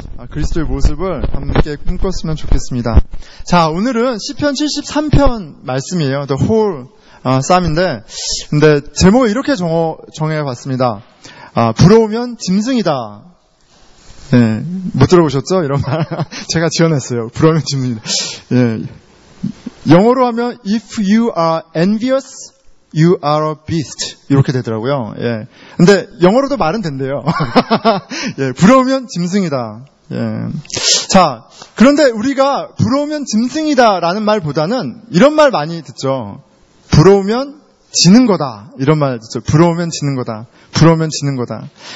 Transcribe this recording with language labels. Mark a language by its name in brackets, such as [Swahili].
[Korean] 그리스도의 모습을 함께 꿈꿨으면 좋겠습니다. 자, 오늘은 시편 73편 말씀이에요. [English] The whole psalm [Korean] 인데 근데 제목을 이렇게 정해봤습니다. 부러우면 짐승이다. 예, 못 들어보셨죠? 이런 말 제가 지어냈어요. 부러우면 짐승이다. 예, 영어로 하면 [English] If you are envious, you are a beast. [Korean] 이렇게 되더라고요. 예. 근데 영어로도 말은 된대요. 예, 부러우면 짐승이다. 예. 자, 그런데 우리가 부러우면 짐승이다 라는 말보다는 이런 말 많이 듣죠. 부러우면 지는 거다. 이런 말 듣죠. 부러우면 지는 거다. 부러우면 지는 거다.